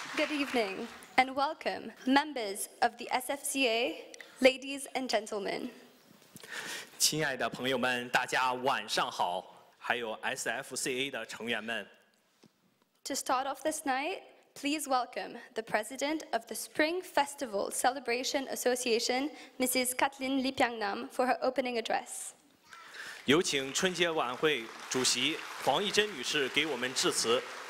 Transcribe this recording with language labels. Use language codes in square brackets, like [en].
[en] evening and welcome, members of the SFCA, ladies and gentlemen. [zh] 亲爱的朋友们，大家晚上好，还有 SFCA 的成员们。 [en] To start off this night, please welcome the president of the Spring Festival Celebration Association, Mrs. Kathleen Li Pyeongnam, for her opening address. [zh] 有请春节晚会主席黄义珍女士给我们致辞。